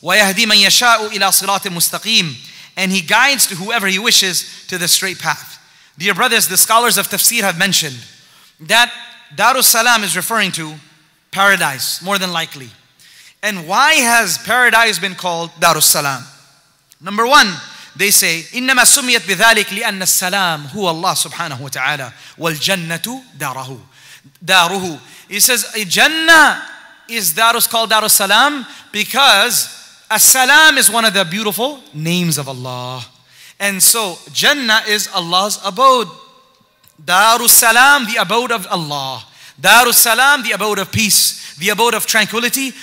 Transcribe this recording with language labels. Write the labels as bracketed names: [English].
[Arabic] وَيَهْدِي مَنْ يَشَاءُ إِلَىٰ صِرَاطٍ مُسْتَقِيمٍ. [English] And he guides to whoever he wishes to the straight path. Dear brothers, the scholars of tafsir have mentioned that DarusSalam is referring to paradise, more than likely. And why has paradise been called DarusSalam? Number one, they say, [Arabic] إِنَّمَا سُمِّيَتْ بِذَلِكَ لِأَنَّ السَّلَامُ هُوَ اللَّهُ سُبْحَانَهُ وَتَعَالَى وَالْجَنَّةُ دَارَهُ دَارُهُ. [English] He says, Jannah is called DarusSalam because As-Salam is one of the beautiful names of Allah. And so, Jannah is Allah's abode. DarusSalam, the abode of Allah. DarusSalam, the abode of peace, the abode of tranquility.